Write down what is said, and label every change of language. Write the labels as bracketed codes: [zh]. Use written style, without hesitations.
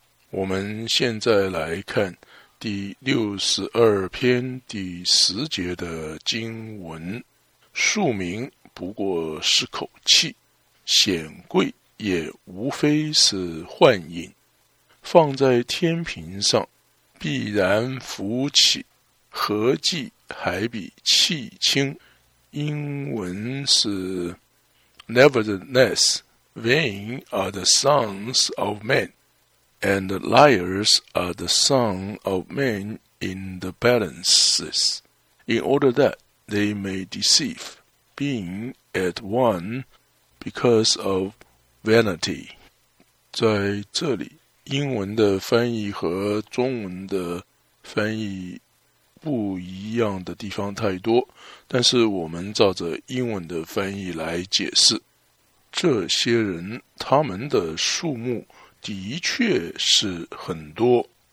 [zh] 我们现在来看第62篇第10节的经文，庶民不过是口气，显贵也无非是幻影，放在天平上必然浮起，合计还比气轻。英文是 [en] Nevertheless, vain are the sons of men, and liars are the sons of men in the balances, in order that they may deceive, being at one because of vanity. [zh] 在这里英文的翻译和中文的翻译不一样的地方太多，但是我们照着英文的翻译来解释，这些人他们的数目的确是很多。